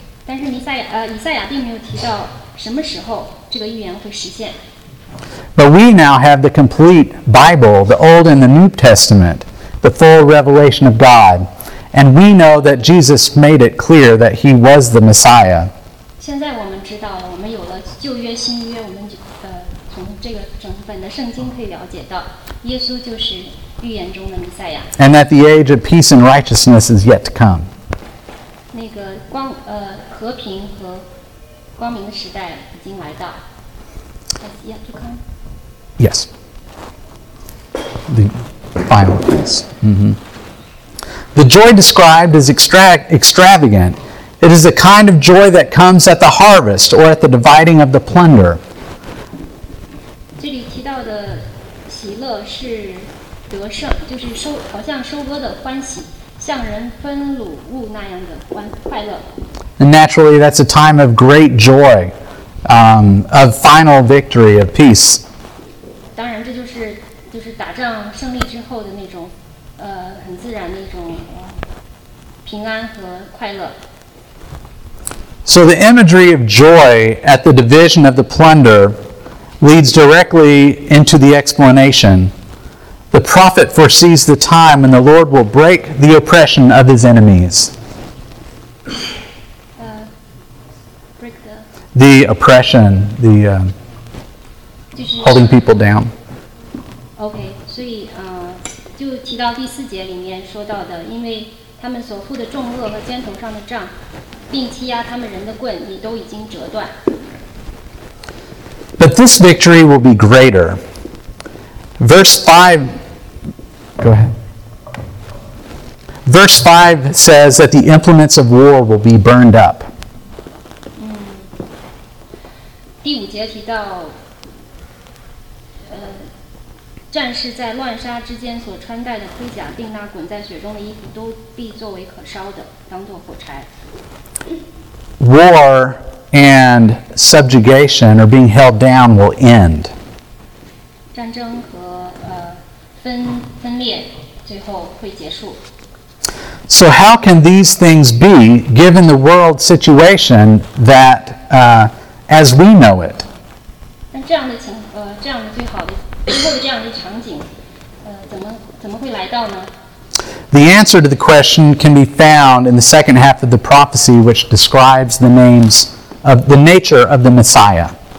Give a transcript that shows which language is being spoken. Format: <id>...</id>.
<en>But we now have the complete Bible, the Old and the New Testament, the full revelation of God. And we know that Jesus made it clear that he was the Messiah.</en> <zh>现在我们知道了，我们有了旧约、新约，我们从这个整本的圣经可以了解到，耶稣就是预言中的弥赛亚。</zh> <en>And that the age of peace and righteousness is yet to come.</en> <zh>那个光和平和光明的时代已经来到。</zh> <en>Has yet to come. Yes. The final piece. The joy described is extravagant. It is the kind of joy that comes at the harvest or at the dividing of the plunder.</en> <zh>这里提到的喜乐是得胜，就是收，好像收割的欢喜，像人分掳物那样的快乐。</zh> <en>And naturally, that's a time of great joy, of final victory, of peace.</en> <zh>当然，这就是打仗胜利之后的那种很自然的一种平安和快乐。</zh> <en>So the imagery of joy at the division of the plunder leads directly into the explanation. The prophet foresees the time when the Lord will break the oppression of his enemies. Break the oppression, the holding people down. Okay,</en> <zh>所以就提到第四节里面说到的，因为他们所负的重轭和肩头上的杖。并欺压他们人的棍也都已经折断。</zh> <en>But this victory will be greater. Verse 5, go ahead. Verse 5 says that the implements of war will be burned up.</en> <zh>第五节提到战士在乱杀之间所穿戴的盔甲并那滚在雪中的衣服都必作为可烧的当作火柴。</zh> <en>War and subjugation or being held down will end.</en> <zh>战争和分裂最后会结束。</zh> <en>So how can these things be given the world situation that as we know it?</en> <zh>那这样的场景怎么会来到呢？</zh> <en>The answer to the question can be found in the second half of the prophecy, which describes the names of the nature of the Messiah.</en>